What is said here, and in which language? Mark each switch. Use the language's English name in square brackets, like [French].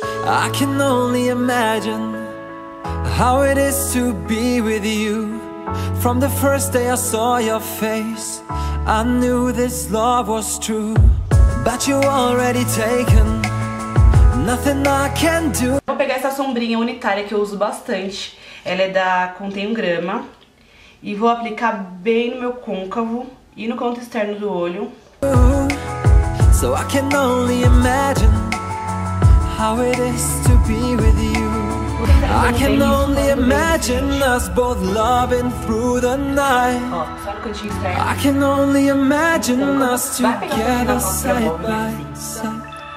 [English] I can only imagine how it is to be with you. From the first day I saw your face, I knew this love was true. But you already taken nothing I can do. [Portuguese] Vou pegar essa sombrinha unitária que eu uso bastante. Ela é da Contém 1 grama. E vou aplicar bem no meu côncavo e no canto externo do olho. [English] So I can only imagine how it is to be with you. I can only imagine us both loving through the night. I can only imagine us together side by side.